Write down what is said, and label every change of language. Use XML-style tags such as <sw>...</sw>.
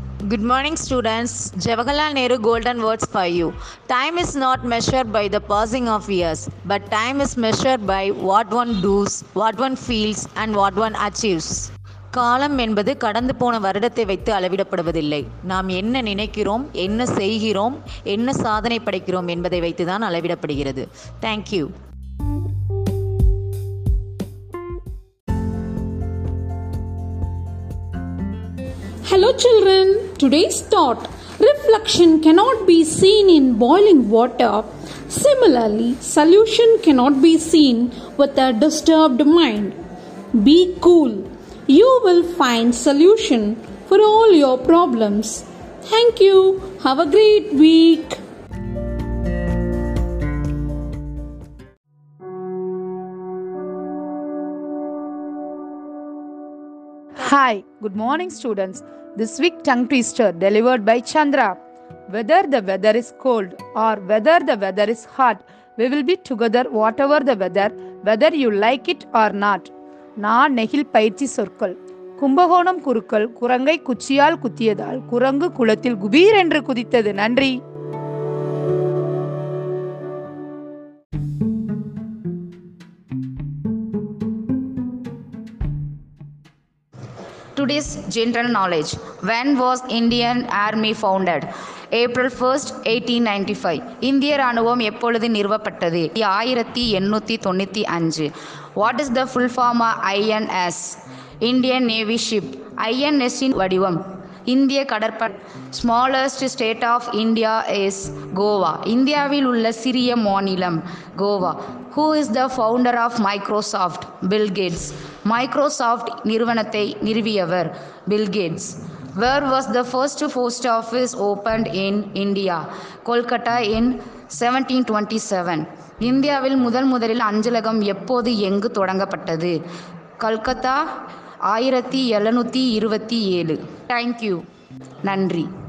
<en>Good morning students, Jawaharlal Nehru golden words for you. Time is not measured by the passing of years, but time is measured by what one does, what one feels and what one achieves.</en> <ta>காலம் என்பது கடந்து போன வருடத்தை வைத்து அளவிடப்படுவதில்லை. நாம் என்ன நினைக்கிறோம், என்ன செய்கிறோம், என்ன சாதனை படைக்கிறோம் என்பதை வைத்து தான் அளவிடப்படுகிறது.</ta> <en>Thank you. Hello children, today's thought: reflection cannot be seen in boiling water. Similarly, solution cannot be seen with a disturbed mind. Be cool. You will find solution for all your problems. Thank you. Have a great week. Hi, good morning students. This week tongue twister delivered by Chandra. Whether the weather is cold or whether the weather is hot, we will be together whatever the weather, whether you like it or not.</en> <ta>நா நெகில் பயிற்சி சொற்கள். கும்பகோணம் குறுக்கள் குரங்கை குச்சியால் குத்தியதால் குரங்கு குளத்தில் குபீர் என்று குதித்தது. நன்றி.</ta> <en>Today's general knowledge: when was Indian Army founded? April 1st, 1895.</en> <ta>இந்திய ராணுவம் எப்பொழுது நிறுவப்பட்டது?</ta> <en>1895. What is the full form of INS? Indian Navy Ship. INS</en> <ta>இன் வடிவம் இந்திய கடற்படை.</ta> <en>Smallest state of India is Goa.</en> <ta>இந்தியாவில் உள்ள சிறிய மாநிலம் Goa.</ta> <en>Who is the founder of Microsoft? Bill Gates.</en> <ta>Microsoft நிறுவனத்தை நிறுவியவர் Bill Gates.</ta> <en>Where was the first post office opened in India? Kolkata in 1727.</en> <ta>இந்தியாவில் முதல் முதலில் அஞ்சலகம் எப்போது எங்கு தொடங்கப்பட்டது? கல்கத்தா 1727.</ta> <en>Thank you.</en> <ta>நன்றி.</ta>